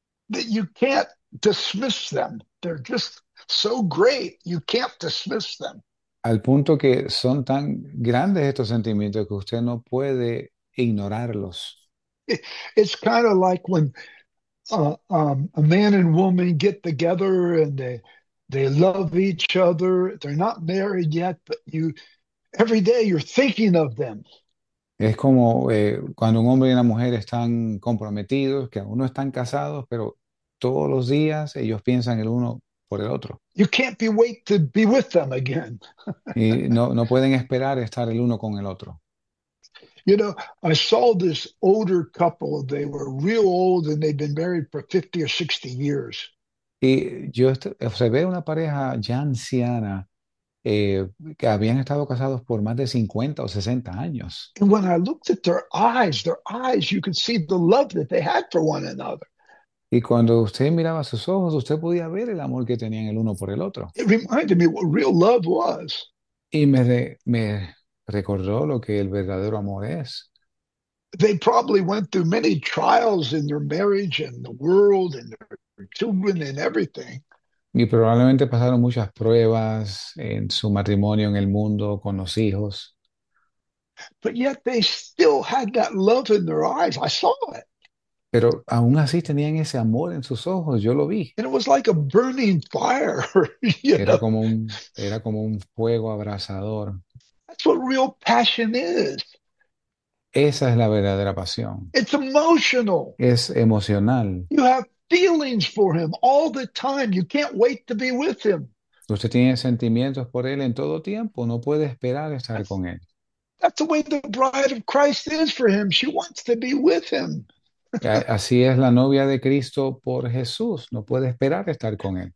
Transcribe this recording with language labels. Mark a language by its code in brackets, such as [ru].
[en] That you can't dismiss them. They're just so great, you can't dismiss them. [es] Al punto que son tan grandes estos sentimientos que usted no puede ignorarlos. [en] It's kind of like when a man and woman get together and they love each other. They're not married yet, but you every day you're thinking of them. [es] Es como cuando un hombre y una mujer están comprometidos, que aún no están casados, pero todos los días ellos piensan el uno por el otro. [en] You can't be wait to be with them again. [es] Y no pueden esperar estar el uno con el otro. [en] You know, I saw this older couple. They were real old and they'd been married for 50 or 60 years. [es] Y yo observé una pareja ya anciana que habían estado casados por más de 50 o 60 años. [en] And when I looked at their eyes, you could see the love that they had for one another. [es] Y cuando usted miraba sus ojos, usted podía ver el amor que tenían el uno por el otro. [en] It reminded me what real love was. [es] Y me recordó lo que el verdadero amor es. [en] They probably went through many trials in their marriage and the world and their children and everything. [es] Y probablemente pasaron muchas pruebas en su matrimonio, en el mundo, con los hijos. [en] But yet they still had that love in their eyes. I saw it. [es] Pero aún así tenían ese amor en sus ojos, yo lo vi. [en] And it was like a burning fire, you [es] Era como un fuego abrasador. [en] That's what real passion is. [es] Esa es la verdadera pasión. [en] It's emotional. [es] Es emocional. [en] You have feelings for him all the time. You can't wait to be with him. [es] Usted tiene sentimientos por él en todo tiempo, no puede esperar estar con él. [en] That's the way the bride of Christ is for him. She wants to be with him. [es] Así es la novia de Cristo por Jesús, no puede esperar estar con él.